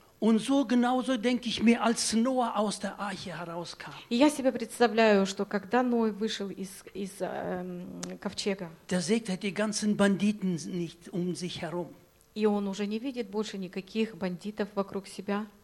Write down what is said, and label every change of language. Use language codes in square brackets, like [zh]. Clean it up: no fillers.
[de] Und so genauso denke ich mir, als Noah aus der Arche herauskam. [ru] И я себе представляю, что когда Ной вышел из ковчега. [de] Der sieht die ganzen Banditen nicht um sich herum. [ru] И он уже не видит больше никаких бандитов вокруг себя.